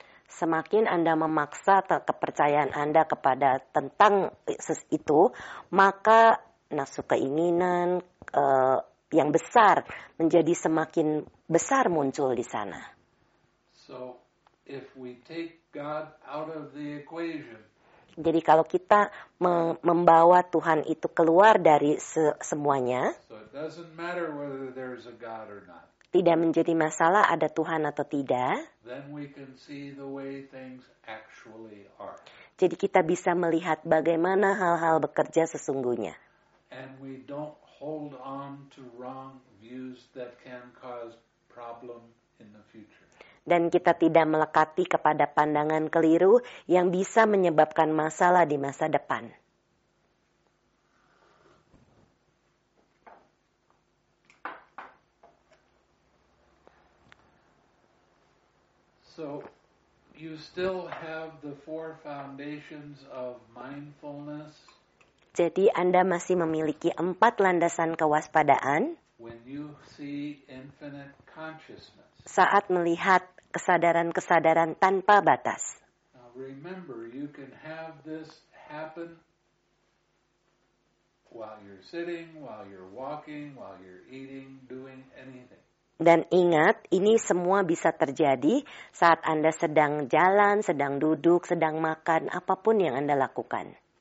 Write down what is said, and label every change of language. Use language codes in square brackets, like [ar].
[id] Semakin Anda memaksa kepercayaan Anda kepada tentang itu, maka nafsu keinginan yang besar menjadi semakin besar muncul di sana. [en] So, if we take God out of the equation, [id] jadi kalau kita membawa Tuhan itu keluar dari semuanya, [en] so it doesn't matter whether there's a God or not. [id] Tidak menjadi masalah ada Tuhan atau tidak. [en] Then we can see the way things actually are. [id] Jadi kita bisa melihat bagaimana hal-hal bekerja sesungguhnya. [en] And we don't hold on to wrong views that can cause problem in the future. [id] Dan kita tidak melekati kepada pandangan keliru yang bisa menyebabkan masalah di masa depan. [en] So you still have the four foundations of mindfulness. [id] Jadi Anda masih memiliki empat landasan kewaspadaan. [en] When you see infinite consciousness. [id] Saat melihat kesadaran-kesadaran tanpa batas. [en] Now remember, you can have this happen while you're sitting, while you're walking, while you're eating, doing anything. [id] Dan ingat, ini semua bisa terjadi saat Anda sedang jalan, sedang duduk, sedang makan, apapun yang Anda lakukan.